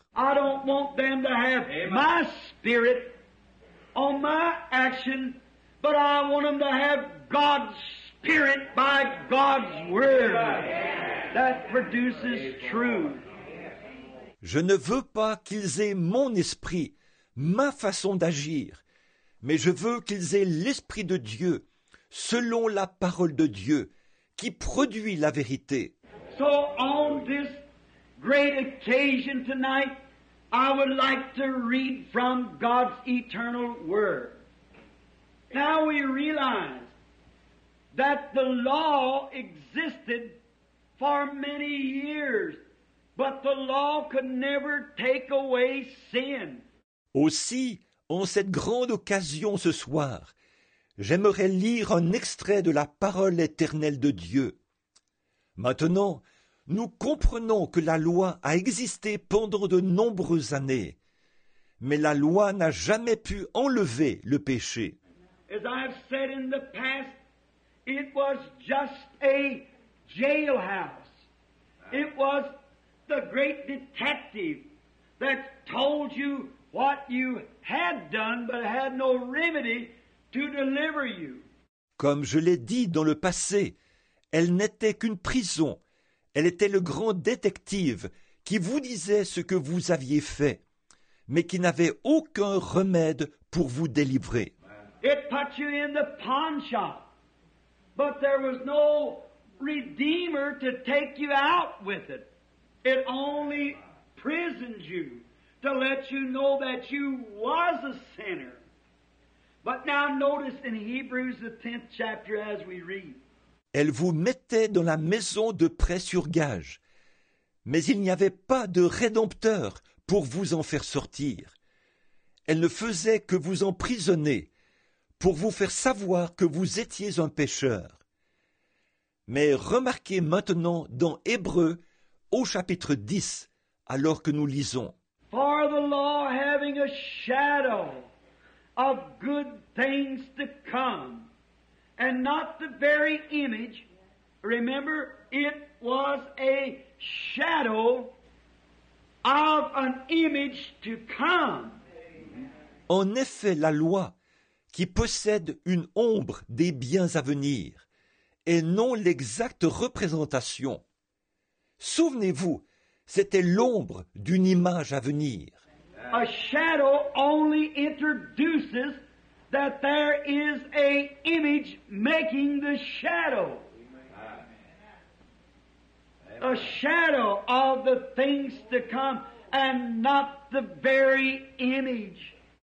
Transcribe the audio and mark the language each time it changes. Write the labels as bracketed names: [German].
[English] I don't want them to have my spirit on my action, but I want them to have God's spirit by God's word that produces truth. [French] Je ne veux pas qu'ils aient mon esprit, ma façon d'agir, mais je veux qu'ils aient l'Esprit de Dieu, selon la parole de Dieu, qui produit la vérité. [English] So on this great occasion tonight, I would like to read from God's eternal word. Now we realize that the law existed for many years, but the law could never take away sin. [French] Aussi, en cette grande occasion ce soir, j'aimerais lire un extrait de la parole éternelle de Dieu. Maintenant, nous comprenons que la loi a existé pendant de nombreuses années, mais la loi n'a jamais pu enlever le péché. [English] as I've said in the past, it was just a jailhouse. It was the great detective that told you what you had done but had no remedy to deliver you. [French] Comme je l'ai dit dans le passé, elle n'était qu'une prison. Elle était le grand détective qui vous disait ce que vous aviez fait, mais qui n'avait aucun remède pour vous délivrer. [English] It put you in the pawn shop, but there was no redeemer to take you out with it. It only prisoned you to let you know that you was a sinner. But now notice in Hebrews the 10th chapter as we read. [French] Elle vous mettait dans la maison de prêt sur gage, mais il n'y avait pas de rédempteur pour vous en faire sortir. Elle ne faisait que vous emprisonner pour vous faire savoir que vous étiez un pécheur. Mais remarquez maintenant dans Hébreux au chapitre 10, alors que nous lisons. [English] For the law having a shadow of good things to come, and not the very image. Remember, it was a shadow of an image to come. [French] En effet, la loi, qui possède une ombre des biens à venir, et non l'exacte représentation. Souvenez-vous, c'était l'ombre d'une image à venir. [English] A shadow only introduces that there is a image making the shadow. A shadow of the things to come and not the very image.